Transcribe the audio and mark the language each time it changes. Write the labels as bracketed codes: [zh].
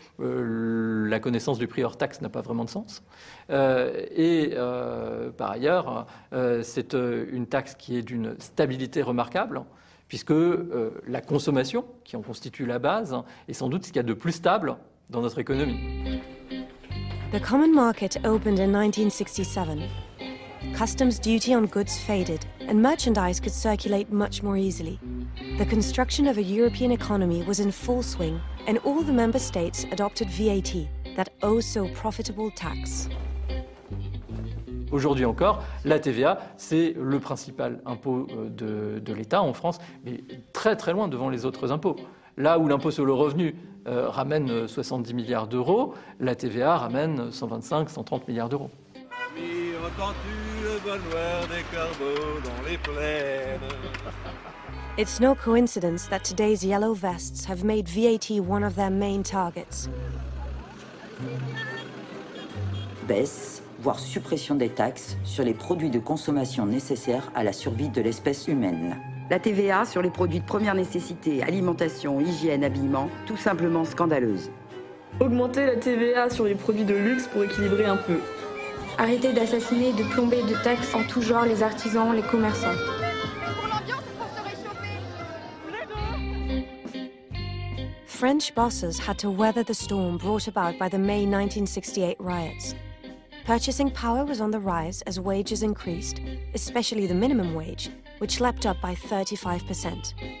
[fr] La connaissance du prix hors taxe n'a pas vraiment de sens. Par ailleurs, c'est une taxe qui est d'une stabilité remarquable, puisque la consommation, qui en constitue la base, est sans doute ce qu'il y a de plus stable dans notre économie. [en] The common market opened in 1967. Customs duty on goods faded, and merchandise could circulate much more easily. The construction of a European economy was in full swing, and all the member states adopted VAT, that oh-so-profitable tax. [fr] Aujourd'hui encore, la TVA, c'est le principal impôt de l'État en France, mais très très loin devant les autres impôts. Là où l'impôt sur le revenu ramène 70 milliards d'euros, la TVA ramène 125-130 milliards d'euros. [en] It's no coincidence that today's yellow vests have made VAT one of their main targets. [fr] Baisse, voire suppression des taxes sur les produits de consommation nécessaires à la survie de l'espèce humaine. La TVA sur les produits de première nécessité, alimentation, hygiène, habillement, tout simplement scandaleuse. Augmenter la TVA sur les produits de luxe pour équilibrer un peu. Arrêter d'assassiner et de plomber de taxes en tout genre les artisans, les commerçants. [en] French bosses had to weather the storm brought about by the May 1968 riots. Purchasing power was on the rise as wages increased, especially the minimum wage, which leapt up by 35%.